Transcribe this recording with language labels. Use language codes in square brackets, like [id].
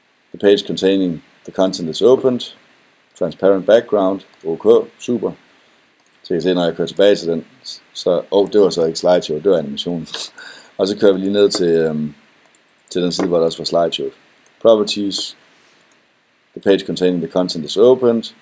[en] The page containing the content is opened. Transparent background, okay, super. [da] Så kan jeg se, når jeg kører tilbage til den, så, det var så ikke slideshow, det var animationen. Og så kører vi lige ned til den side, hvor der også var slideshow. [en] Properties. The page containing the content is opened.